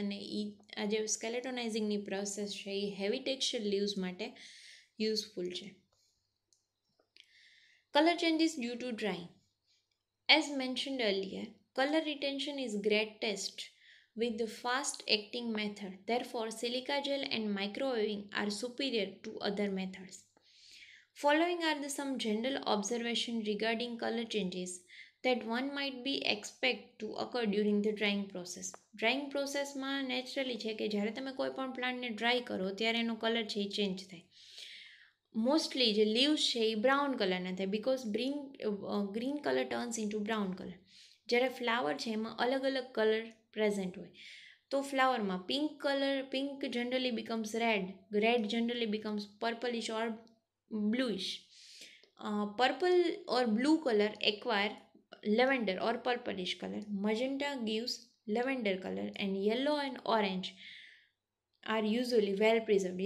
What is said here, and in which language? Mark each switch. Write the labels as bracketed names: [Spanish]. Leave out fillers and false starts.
[Gujarati] અને આ જે સ્કેલેટોનાઇઝિંગની પ્રોસેસ છે એ હેવી ટેક્સચર લીવ્સ માટે યુઝફુલ છે. [English] Colour changes due to drying. As mentioned earlier, colour retention is greatest with the fast acting method. Therefore, silica gel and microwaving are superior to other methods. Following are the some general observation regarding color changes that one might be expect to occur during the drying process. [Gujarati] Drying process માં naturally છે કે જ્યારે તમે કોઈ પણ પ્લાન્ટને dry કરો ત્યારે એનો કલર છે એ ચેન્જ થાય. મોસ્ટલી જે લીવ્સ છે એ બ્રાઉન કલરના થાય, [English] Because green colour turns into brown colour. [Gujarati] જ્યારે ફ્લાવર છે એમાં અલગ અલગ કલર પ્રેઝન્ટ હોય તો ફ્લાવરમાં [English] Pink generally becomes red, red generally becomes purplish or bluish, purple or blue colour acquire lavender or purplish colour, magenta gives lavender colour and yellow and orange are usually well preserved.